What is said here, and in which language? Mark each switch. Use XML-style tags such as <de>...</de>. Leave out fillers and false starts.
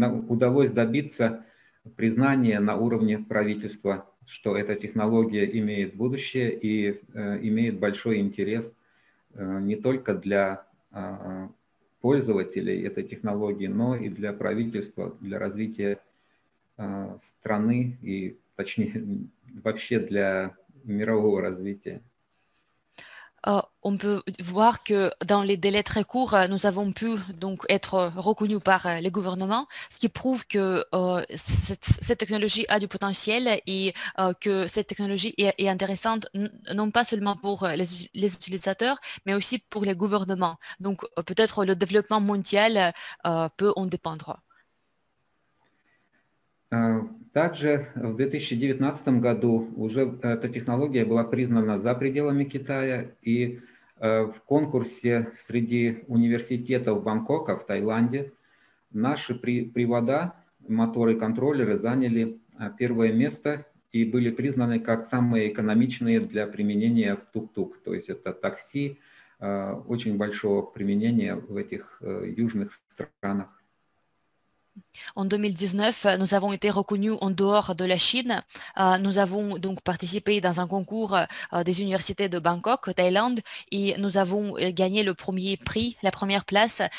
<ru>Удалось добиться признания на уровне правительства, что эта технология имеет будущее и имеет большой интерес не только для пользователей этой технологии, но и для правительства, для развития страны и, точнее, вообще для мирового развития.</ru> <fr>On peut voir que dans les délais très courts, nous avons pu donc être reconnus par les gouvernements, ce qui prouve que cette technologie a du potentiel et que cette technologie est intéressante non pas seulement pour les utilisateurs, mais aussi pour les gouvernements. Donc peut-être le développement mondial peut en dépendre.</fr> <ru>Также в 2019 году уже эта технология была признана за пределами Китая, и в конкурсе среди университетов Бангкока в Таиланде наши привода, моторы, контроллеры заняли первое место и были признаны как самые экономичные для применения в тук-тук, то есть это такси, очень большого применения в этих южных странах.</ru> <fr>En 2019, nous avons été reconnus en dehors de la Chine. Nous avons donc participé dans un concours des universités de Bangkok, Thaïlande, et nous avons gagné le premier prix, la première place.</fr>